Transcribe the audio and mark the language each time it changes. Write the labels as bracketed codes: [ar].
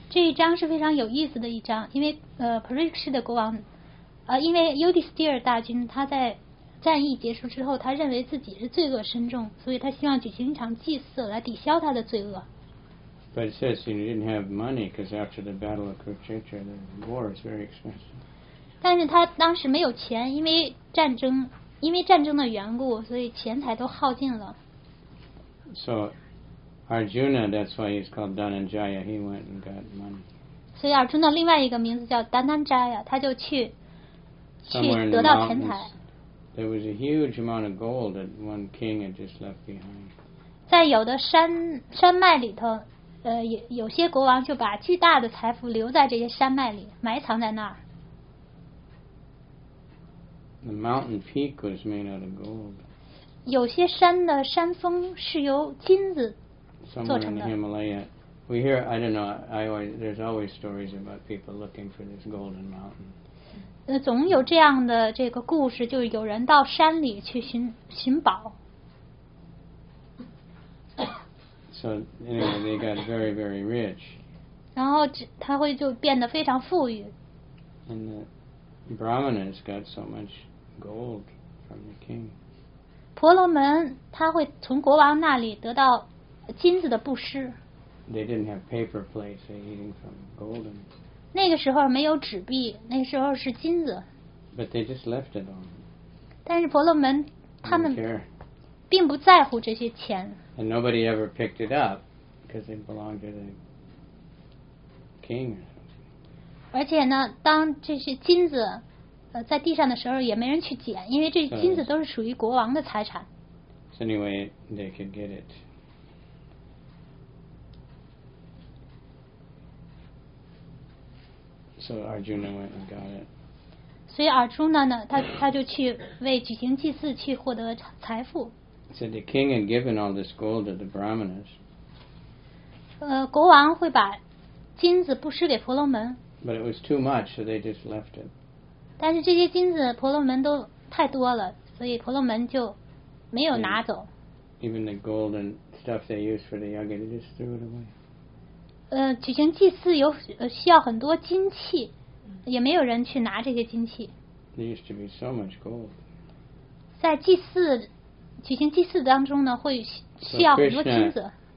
[zh] 这一章是非常有意思的一章，因为Pariksha 的国王，因为 Yudhishthira 大军他在战役结束之后，他认为自己是罪恶深重，所以他希望举行一场祭祀来抵消他的罪恶。 [en] But it says he didn't have money because after the battle of Kurukshetra, the war is very expensive. [zh] 但是他当时没有钱，因为战争的缘故，所以钱财都耗尽了。 [en] So Arjuna, that's why he's called Dhananjaya. He went and got money. [zh] 所以 Arjuna 另外一个名字叫 Dhananjaya, 他就去得到钱财。 [en] There was a huge amount of gold that one king had just left behind. [zh] 在有的山脉里头。有些国王就把巨大的财富留在这些山脉里，埋藏在那儿。 [en] The mountain peak was made out of gold. [zh] 有些山的山峰是由金子做成的。 [en] Somewhere in the Himalaya, we hear, I don't know, there's always stories about people looking for this golden mountain. [zh] 总有这样的这个故事，就有人到山里去寻宝。 [en] So anyway, they got very, very rich. [zh] 然后他会就变得非常富裕。 [en] And the Brahmanas got so much gold from the king. [zh] 婆罗门他会从国王那里得到金子的布施。 [en] They didn't have paper plates, they're eating from golden. [zh] 那个时候没有纸币，那时候是金子。 [en] But they just left it on. [zh] 但是婆罗门他们并不在乎这些钱。 [en] And nobody ever picked it up because it belonged to the king. [zh] 而且呢，当这些金子在地上的时候，也没人去捡，因为这金子都是属于国王的财产。 [en] So anyway, they could get it. So Arjuna went and got it. [zh] 所以Arjuna呢，他就去为举行祭祀去获得财富。 [en] So the king had given all this gold to the Brahmanas. [zh] 国王会把金子布施给婆罗门。 [en] But it was too much, so they just left it. [zh] 但是这些金子婆罗门都太多了，所以婆罗门就没有拿走。 [en] Even the gold and stuff they used for the yoga, they just threw it away. [zh] 举行祭祀有需要很多金器，也没有人去拿这些金器。 [en] There used to be so much gold. [zh] 在祭祀举行祭祀当中呢，会需要很多金子。